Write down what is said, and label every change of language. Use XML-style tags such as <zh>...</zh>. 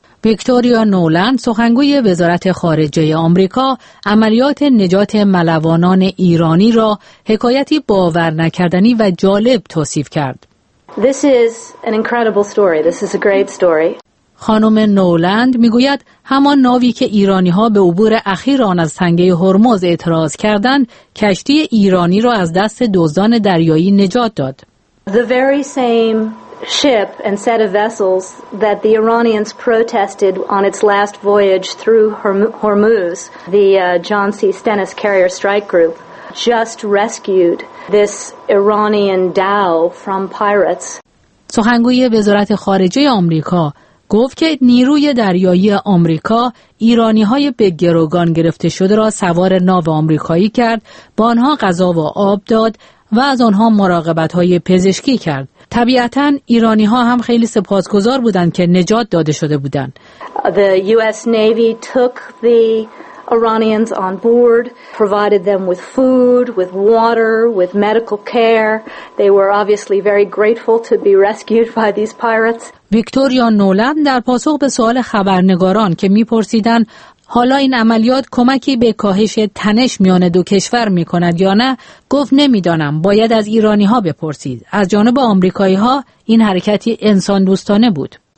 <fa>ویکتوریا نولند سخنگوی وزارت خارجه آمریکا عملیات نجات ملوانان ایرانی را حکایتی باور نکردنی و جالب توصیف کرد.</fa> <en>This is an incredible story. This is a great story.</en> <fa>خانم نولند میگوید همان ناوی که ایرانی ها به عبور اخیر آن از تنگه هرمز اعتراض کردند، کشتی ایرانی را از دست دزدان دریایی نجات داد.</fa> <en>The very same ship and set of vessels that the Iranians protested on its last voyage through Hormuz, the John C. Stennis carrier strike group just rescued this Iranian dhow from pirates.</en> <fa>سخنگوی وزارت خارجه آمریکا گفت که نیروی دریایی آمریکا ایرانی‌های به گروگان گرفته شده را سوار ناو آمریکایی کرد، با آنها غذا و آب داد و از آنها مراقبت‌های پزشکی کرد. طبیعتاً ایرانی‌ها هم خیلی سپاسگزار بودند که نجات داده شده بودند.</fa> <en>The US Navy took the Iranians on board, provided them with food, with water, with medical care. They were obviously very grateful to be rescued by these pirates.</en> <fa>ویکتوریا نولند در پاسخ به سوال خبرنگاران که می‌پرسیدند حالا این عملیات کمکی به کاهش تنش میان دو کشور می‌کند یا نه، گفت نمی‌دانم، باید از ایرانی‌ها بپرسید. از جانب آمریکایی‌ها این حرکتی انسان دوستانه بود.</fa>